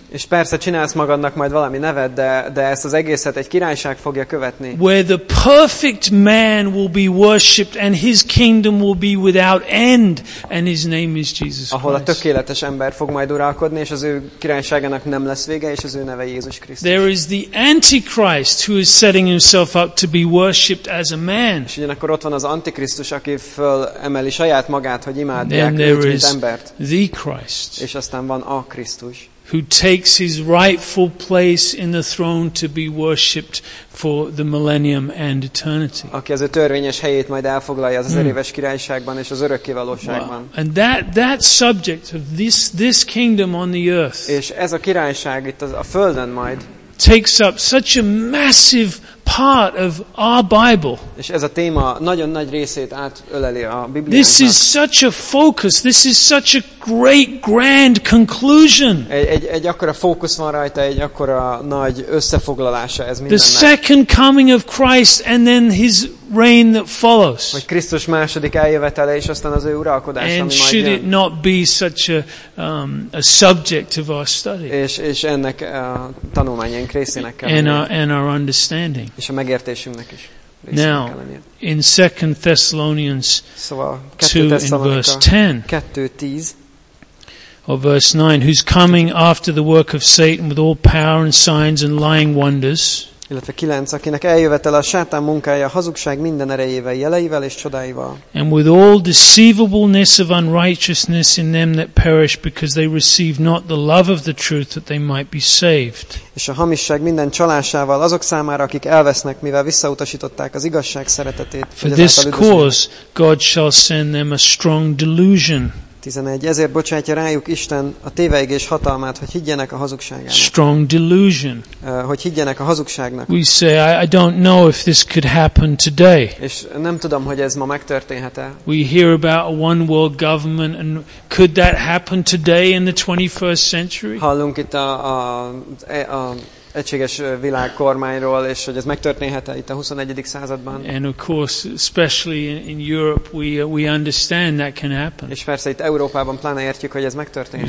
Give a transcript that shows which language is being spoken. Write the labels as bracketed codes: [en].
[hu] És persze csinálsz magadnak majd valami nevet, de ezt az egészet egy királyság fogja követni. [en] Where the perfect man will be worshipped and his kingdom will be without end and his name is Jesus Christ. [hu] Ahol a tökéletes ember fog majd uralkodni, és az ő királyságának nem lesz vége, és az ő neve Jézus Krisztus. [en] There is the antichrist who is setting himself up to be worshipped as a man. [hu] És ugyanakkor ott van az antikrisztus, aki fölemeli saját magát, hogy imádják őt, mint embert. [en] The Christ. [hu] És aztán van a Krisztus. [en] Who takes his rightful place in the throne to be worshipped for the millennium and eternity. [hu] Aki az a törvényes helyét majd elfoglalja az ezeréves királyságban és az örökkévalóságban. [en] And that subject of this kingdom on the earth. [hu] És ez a királyság itt a földön majd [en] takes up such a massive part of our Bible. [hu] És ez a téma nagyon nagy részét átöleli a Bibliának. [en] This is such a focus. This is such a great grand conclusion. [hu] Egy akkora fókusz van rajta, egy akkora nagy összefoglalása ez mindennek. [en] The second coming of Christ and then his reign that follows. [hu] Vagy Krisztus második eljövetele és aztán az ő uralkodása, ami majd jön. [en] And should it not be such a subject of our study? [hu] És ennek a tanulmányaink részének kell lennie. [en] And our understanding. [hu] És a megértésünknek is. [en] Now, in 2 Thessalonians 2:10, or verse 9, who's coming after the work of Satan with all power and signs and lying wonders. [hu] Illetve 9, akinek eljövetele a sátán munkája, hazugság minden erejével, jeleivel és csodáival. [en] And with all deceivableness of unrighteousness in them that perish, because they receive not the love of the truth that they might be saved. [hu] És a hamisság minden csalásával azok számára, akik elvesznek, mivel visszautasították az igazság szeretetét. [en] For this cause God shall send them a strong delusion. 11. [hu] Ezért bocsátja rájuk Isten a téveigés hatalmát, hogy higgyenek a hazugságának. [en] Strong delusion. [hu] Hogy higgyenek a hazugságnak. [en] We say, I don't know if this could happen today. [hu] És nem tudom, hogy ez ma megtörténhet-e. [en] We hear about a one world government and could that happen today in the 21st century? [hu] Hallunk itt a egységes világ kormányról, és hogy ez megtörténhet itt a 21. században. [en] And of course, especially in Europe, we understand that can happen. [hu] És persze itt Európában pláne értjük, hogy ez megtörténhet.